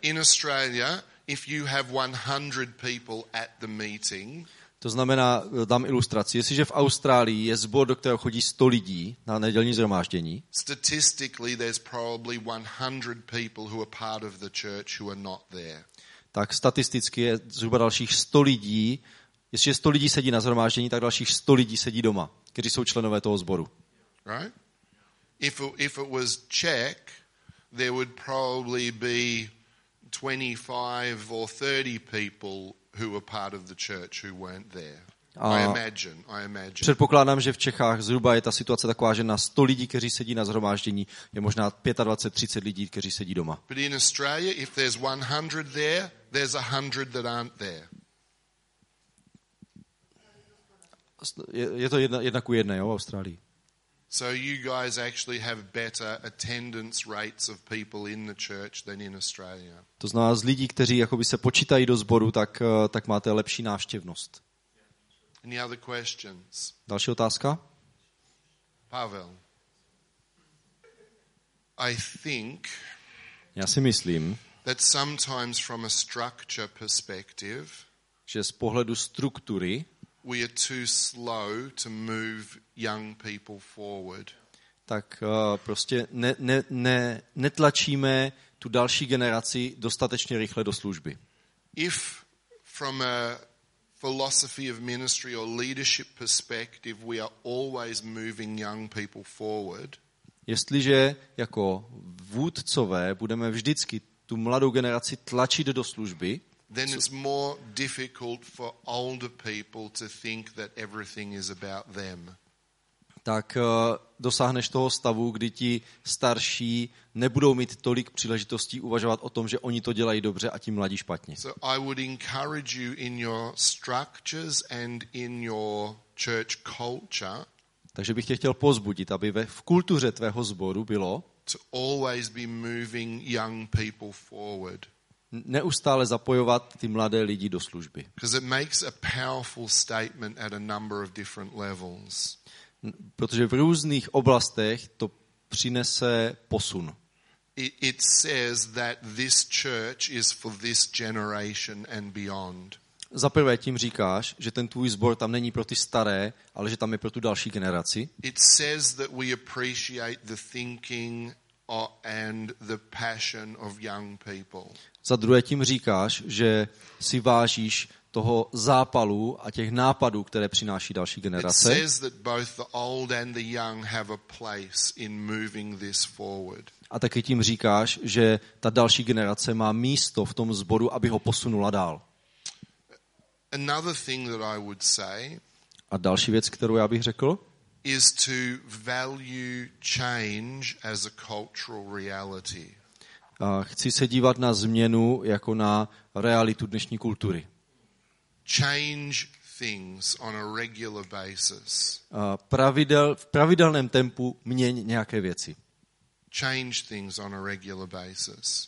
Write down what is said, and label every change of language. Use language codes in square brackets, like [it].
[en] In Australia, if you have 100 people at the meeting, [cs] to znamená, dám ilustraci. Jestliže v Austrálii je zbor, do kterého chodí 100 lidí na nedělní zhromáždění, [en] statistically there's probably 100 people who are part of the church who are not there. [cs] Tak statisticky je zhruba dalších 100 lidí. Jestliže 100 lidí sedí na zhromáždění, tak dalších 100 lidí sedí doma, kteří jsou členové toho sboru. Right? [en] If it was Czech, there would probably be 25 or 30 people who were part of the church who weren't there. I imagine. [cs] Předpokládám, že v Čechách zhruba je ta situace taková, že na 100 lidí, kteří sedí na shromáždění, je možná 25-30 lidí, kteří sedí doma. [en] But in Australia, if there's 100 there, there's 100 that aren't there. [cs] Je to jedna ku jedné, jo, v Austrálii. [en] So you guys actually have better attendance rates of people in the church than in Australia. [cs] To znamená, z lidí, kteří jakoby se počítají do sboru, tak máte lepší návštěvnost. [en] Any other questions? [cs] Další otázka? Pavel. [en] I think. [cs] Já si myslím. [en] That sometimes from a structure perspective. [cs] Že z pohledu struktury. [en] We are too slow to move young people forward. [cs] Tak prostě netlačíme tu další generaci dostatečně rychle do služby. [en] If from a philosophy of ministry or leadership perspective we are always moving young people forward. [cs] Jestliže jako vůdcové budeme vždycky tu mladou generaci tlačit do služby, [en] then it's more difficult for older people to think that everything is about them. [cs] Tak dosáhneš toho stavu, kdy ti starší nebudou mít tolik příležitostí uvažovat o tom, že oni to dělají dobře a ti mladí špatně. [en] So I would encourage you in your structures and in your church culture. [cs] Takže bych tě chtěl pozbudit, aby v kultuře tvého sboru bylo [en] to always be moving young people forward. [cs] Neustále zapojovat ty mladé lidi do služby. [en] Because it makes a powerful statement at a number of different levels. [cs] Protože v různých oblastech to přinese posun. [en] It says that this church is for this generation and beyond. [cs] Za prvé tím říkáš, že ten tvůj sbor tam není pro ty staré, ale že tam je pro tu další generaci. [en] It says that we appreciate the thinking and the passion of young people. [cs] Za druhé tím říkáš, že si vážíš toho zápalu a těch nápadů, které přináší další generace. [en] It says that both the old and the young have a place in moving this forward. [cs] A taky tím říkáš, že ta další generace má místo v tom sboru, aby ho posunula dál. [en] Another thing that I would say. [cs] A další věc, kterou já bych řekl, [en] is to value change as a cultural reality. [cs] chci se dívat na změnu jako na realitu dnešní kultury. [en] Change things on a regular basis. [cs] V pravidelném tempu měň nějaké věci. [en] Change things on a regular basis.